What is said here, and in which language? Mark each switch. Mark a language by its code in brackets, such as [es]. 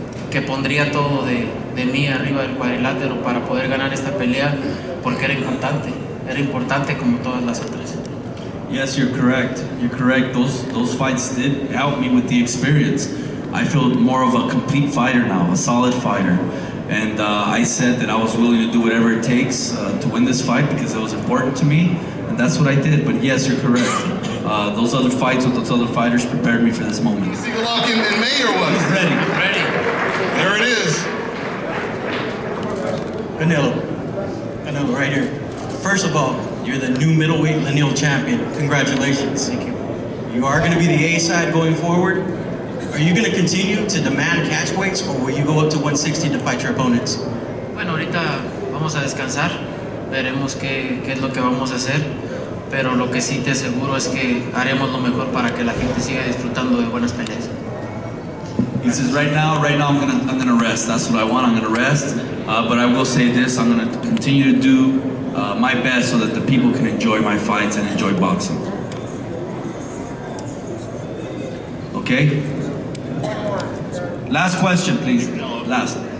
[es] Que pondría todo de mí arriba del cuadrilátero para poder ganar esta pelea, porque era importante como todas las otras. [en] Yes, you're correct. Those fights did help me with the experience. I feel more of a complete fighter now, a solid fighter. And I said that I was willing to do whatever it takes to win this fight because it was important to me, and that's what I did. But yes, you're correct. Those other fights with those other fighters prepared me for this moment. You see Golovkin in May or what? Ready. There it is. Canelo, right here. First of all, you're the new middleweight lineal champion. Congratulations. Thank you. You are going to be the A side going forward. Are you going to continue to demand catch weights, or will you go up to 160 to fight your opponents? [es] Bueno, ahorita vamos a descansar. Veremos qué es lo que vamos a hacer. Pero lo que sí te aseguro es que haremos lo mejor para que la gente siga disfrutando de buenas peleas. [en] He says, right now I'm gonna rest. That's what I want. I'm gonna rest. But I will say this: I'm gonna continue to do my best so that the people can enjoy my fights and enjoy boxing. Okay. Last question, please. Last.